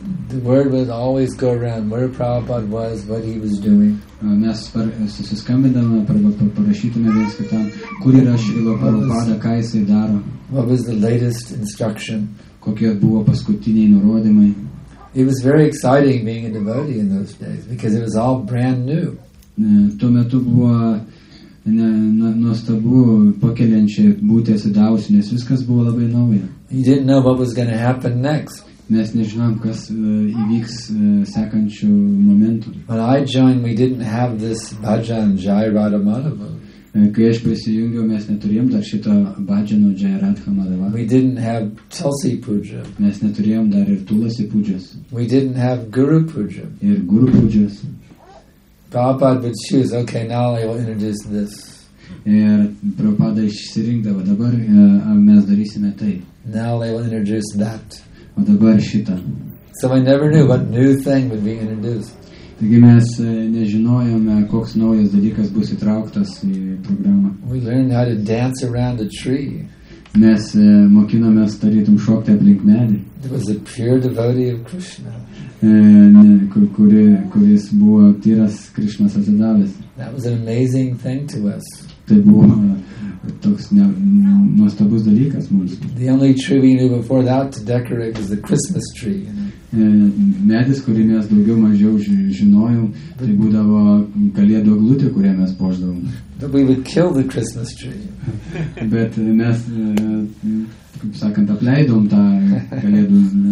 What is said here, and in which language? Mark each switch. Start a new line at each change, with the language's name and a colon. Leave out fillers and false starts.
English: The word would always go around where Prabhupada was, what he was doing.
Lithuanian: Mes susiskambindavome arba parašytume vienas kitam, kur yra Šrila Prabhupada, ką jisai daro.
English: What was the latest instruction?
Lithuanian: Kokie buvo paskutiniai nurodymai.
English: It was very exciting being a devotee in those days, because it was all brand new.
Lithuanian: Tuo metu buvo nuostabu pakeliančiai būti atsidavusi, nes viskas buvo labai nauja.
English: You didn't know what was going to happen next.
Lithuanian: Mes nežinom, kas įvyks sekančių momentų.
English: When I joined, we didn't have this bhajan Jai Radha Madhava.
Lithuanian: Kai aš prisijungiau, mes neturėjom dar šito bhajano Jai Radha Madhava.
English: We didn't have Tulsi Puja.
Lithuanian: Mes neturėjom dar ir Tulasi Pujas.
English: We didn't have Guru Puja.
Lithuanian: Ir Guru Pujas.
English: Prabhupada would choose, okay, now I will introduce this.
Lithuanian: Ir Prabhupada išsirinkdavo, dabar mes darysime tai.
English: Now I will introduce that.
Lithuanian: O dabar šitą.
English: So I never knew what new thing would be introduced.
Lithuanian: Taigi mes nežinojome, koks naujas dalykas bus įtrauktas į programą.
English: We learned how to dance around a tree.
Lithuanian: Mes mokinomės tarytum šokti aplink medį.
English: It was a pure devotee of Krishna.
Lithuanian: Kuris buvo tyras Krishnas atsidavęs.
English: That was an amazing thing to us.
Lithuanian: Tai buvo toks nuostabus dalykas mums.
English: The only tree we knew before that to decorate was the Christmas tree. You know?
Lithuanian: medis, kurį mes daugiau mažiau žinojom, tai būdavo kalėdų glutė, kurią mes poždavom.
English: But we would kill the Christmas tree.
Lithuanian: Bet mes, kaip sakant, apleidom tą kalėdų.